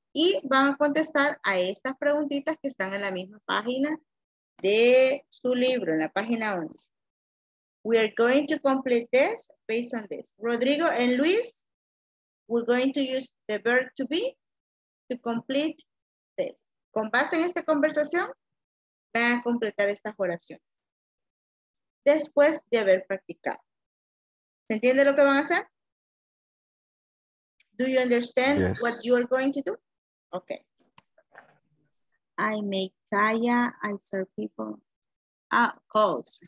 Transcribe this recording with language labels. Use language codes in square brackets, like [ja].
[es] Y van a contestar a estas preguntitas que están en la misma página de su libro, en la página 11. [en] We are going to complete this based on this. Rodrigo and Luis, we're going to use the verb to be to complete this. [es] Con base en esta conversación, van a completar estas oraciones después de haber practicado. ¿Se entiende lo que van a hacer? [en] Do you understand yes. what you are going to do? Okay. I make calla, I serve people. Ah, calls.